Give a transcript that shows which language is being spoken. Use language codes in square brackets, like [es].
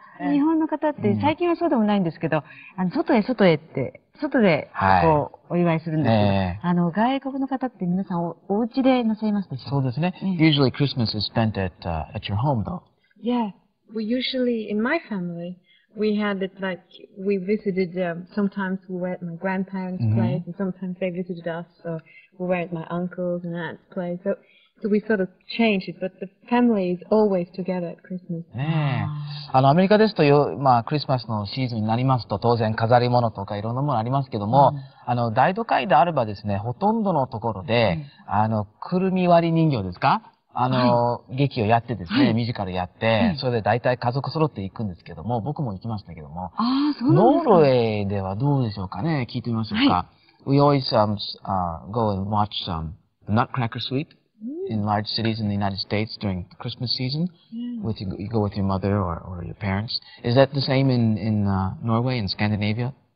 [ja] 日本の方って、最近はそうでもないんですけど、外へって、外で、こう、お祝いするんですけど、外国の方って皆さんお家でなさいますでしょうか？そうですね。 [en] Usually Christmas is spent at your home, though. Yeah. We usually, in my family, we had it like, we visited, sometimes we were at my grandparents' place, and sometimes they visited us, or we were at my uncle's and aunt's place. So we sort of changed it, but the family is always together at Christmas. [ja] アメリカですと、まあ、クリスマスのシーズンになりますと、当然飾り物とかいろんなものありますけども、大都会であればですね、ほとんどのところで、くるみ割り人形ですか？はい、劇をやってですね、はい、ミュージカルやって、はい、それで大体家族揃って行くんですけども、僕も行きましたけども、ノルウェーではどうでしょうかね、聞いてみましょうか。 [en] はい、We always, go and watch some Nutcracker Suite in large cities in the United States during Christmas season. You go with your mother or your parents. Is that the same in Norway and Scandinavia?